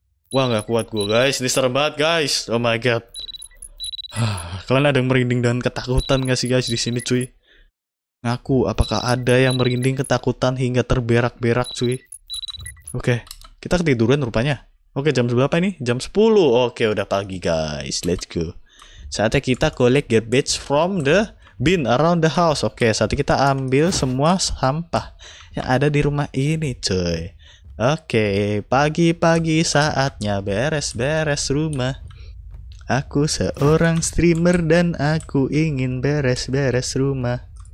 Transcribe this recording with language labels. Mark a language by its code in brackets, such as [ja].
[id] Wah, nggak kuat gue, guys. Ini serem banget, guys. [en] Oh my god. [id] Kalian ada yang merinding dan ketakutan nggak sih, guys, di sini, cuy? Ngaku, apakah ada yang merinding ketakutan hingga terberak-berak, cuy? Oke, kita ketiduran rupanya. Oke, jam berapa ini? Jam 10. Oke, udah pagi, guys. [en] Let's go. [id] Saatnya kita [en] collect garbage from the bin around the house. [id] Oke, saatnya kita ambil semua sampah yang ada di rumah ini, cuy. Oke, pagi-pagi saatnya beres-beres rumah. Aku seorang streamer dan aku ingin beres-beres rumah.